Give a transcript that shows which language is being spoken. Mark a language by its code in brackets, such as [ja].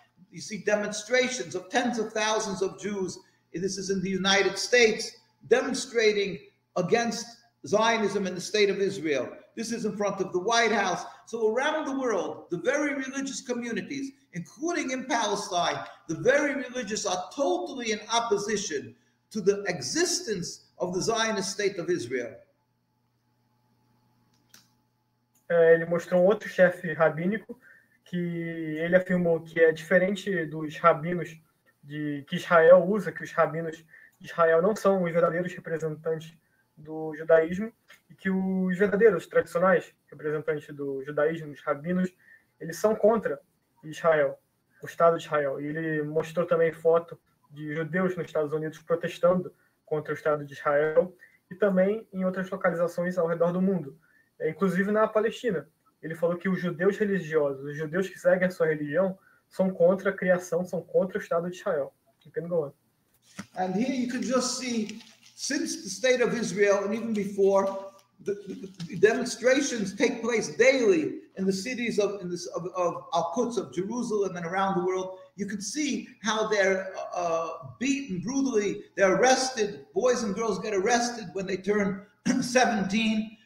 [en] You see demonstrations of tens of thousands of Jews, this is in the United States, demonstrating against Zionism and the State of Israel. This is in front of the White House. So around the world, the very religious communities, including in Palestine, the very religious are totally in opposition to the existence of the Zionist State of Israel. [pt] Ele mostrou um outro chefe rabínico que ele afirmou que é diferente dos rabinos que Israel usa, que os rabinos de Israel não são os verdadeiros representantes do judaísmo, e que os verdadeiros, tradicionais representantes do judaísmo, os rabinos, eles são contra Israel, o Estado de Israel. E ele mostrou também foto de judeus nos Estados Unidos protestando contra o Estado de Israel e também em outras localizações ao redor do mundo, inclusive na Palestina. Ele falou que os judeus religiosos, os judeus que seguem a sua religião, são contra a criação, são contra o Estado de Israel. [en] You can go on. And here you can just see, since the State of Israel and even before, the demonstrations take place daily in the cities of Al-Quds, of Jerusalem and around the world. You can see how they're beaten brutally. They're arrested. Boys and girls get arrested when they turn 17.